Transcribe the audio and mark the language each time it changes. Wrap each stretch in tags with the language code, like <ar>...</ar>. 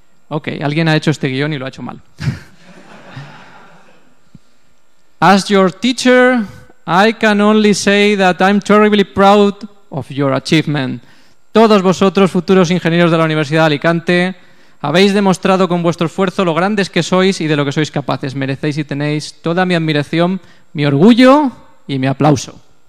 <es>Okay, alguien ha hecho este guión y lo ha hecho mal.</es> <en>As your teacher, I can only say that I'm terribly proud of your achievement.</en> <es>Todos vosotros, futuros ingenieros de la Universidad de Alicante, habéis demostrado con vuestro esfuerzo lo grandes que sois y de lo que sois capaces. Merecéis y tenéis toda mi admiración, mi orgullo y mi aplauso.</es>